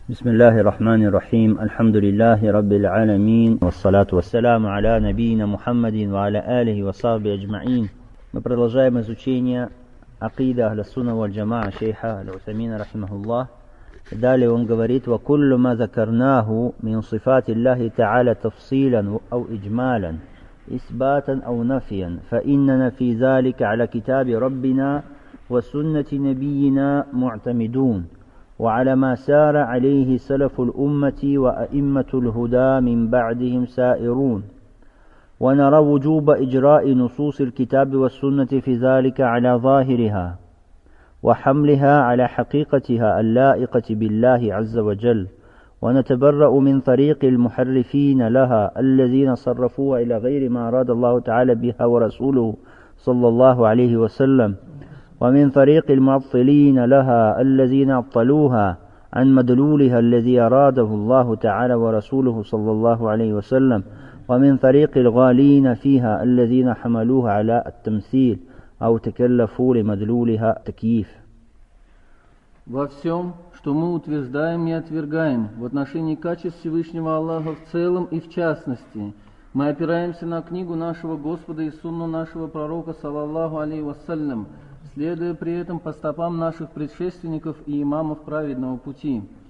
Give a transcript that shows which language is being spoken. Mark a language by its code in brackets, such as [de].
[ar] بسم الله الرحمن الرحيم الحمد لله رب العالمين والصلاة والسلام على نبينا محمد وعلى آله وصحبه أجمعين. [ru] Мы продолжаем изучение акида Ахля Сунна валь Джамаа шейха Аль-Усаймина [ar] رحمه الله. [ru] Далее он говорит: [ar] وكل ما ذكرناه من صفات الله تعالى تفصيلا أو إجمالا إثباتا أو نفيا فإننا في ذلك على كتاب ربنا وسنة نبينا معتمدون وعلى ما سار عليه سلف الأمة وأئمة الهدى من بعدهم سائرون ونرى وجوب إجراء نصوص الكتاب والسنة في ذلك على ظاهرها وحملها على حقيقتها اللائقة بالله عز وجل ونتبرأ من طريق المحرفين لها الذين صرفوها إلى غير ما أراد الله تعالى بها ورسوله صلى الله عليه وسلم ومن طريق المعطلين لها الذين عطلوها عن مدلولها الذي أراده الله تعالى ورسوله صلى الله عليه وسلم ومن طريق الغالين فيها الذين حملوها على التمثيل أو تكلفوا لمدلولها تكييف. [ru] Во всем, что мы утверждаем и отвергаем в отношении качеств Всевышнего Аллаха в целом и в частности, мы опираемся на книгу нашего Господа и сунну нашего пророка саллаллаху алейхи вассалям, следуя при этом по стопам наших предшественников и имамов праведного пути.